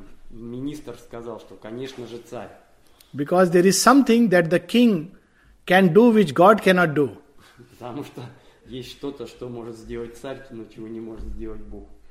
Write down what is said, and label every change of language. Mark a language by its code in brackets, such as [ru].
[ru] Министр сказал, что, конечно же, царь. [en] Because there is something that the king can do, which God cannot do. [ru] Потому что есть что-то, что может сделать царь, но чего не может сделать Бог.